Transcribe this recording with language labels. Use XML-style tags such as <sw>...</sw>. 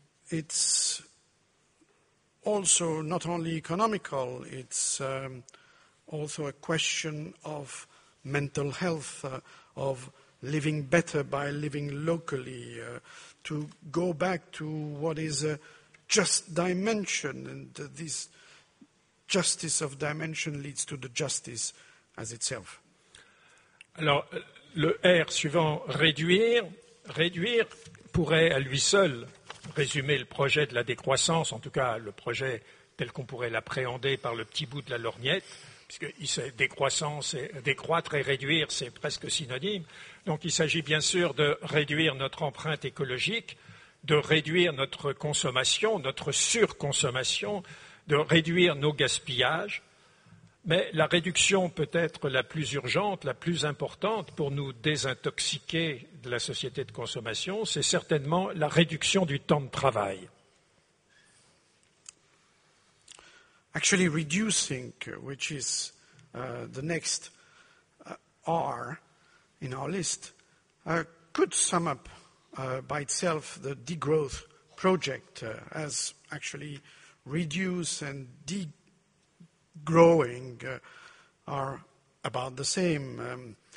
<en>It's also not only economical, it's also a question of mental health, of living better by living locally, to go back to what is a just dimension, and this justice of dimension leads to the justice as itself.</en> <fr>Alors, le R suivant, réduire, réduire pourrait à lui seul résumer le projet de la décroissance, en tout cas le projet tel qu'on pourrait l'appréhender par le petit bout de la lorgnette, puisque décroissance et décroître et réduire, c'est presque synonyme. Donc il s'agit bien sûr de réduire notre empreinte écologique, de réduire notre consommation, notre surconsommation, de réduire nos gaspillages. Mais la réduction peut être la plus urgente, la plus importante pour nous désintoxiquer de la société de consommation, c'est certainement la réduction du temps de travail.</fr> <en>Actually reducing, which is the next R in our list, could sum up by itself the degrowth project as actually reduce and degrowing are about the same.</en>